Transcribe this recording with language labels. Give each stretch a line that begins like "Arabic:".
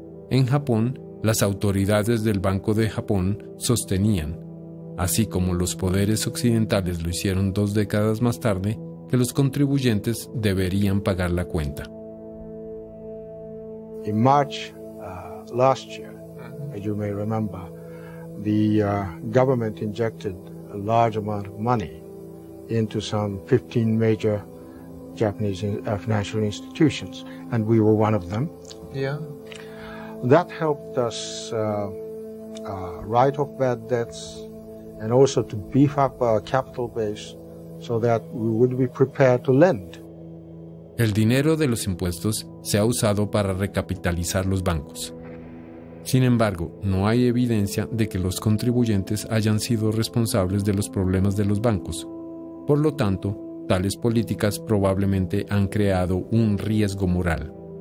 Spanish: En Japón, las autoridades del Banco de Japón sostenían, así como los poderes occidentales lo hicieron dos décadas más tarde, que los contribuyentes deberían pagar la cuenta.
English: In March last year, as you may remember, the government injected a large amount of money into some 15 major Japanese financial institutions, and we were one of them. Yeah. That helped us write off bad debts and also to beef up our capital base so that we would be prepared to lend.
Spanish: El dinero de los impuestos se ha usado para recapitalizar los bancos. Sin embargo, no hay evidencia de que los contribuyentes hayan sido responsables de los problemas de los bancos. Por lo tanto, tales políticas probablemente han creado un riesgo moral.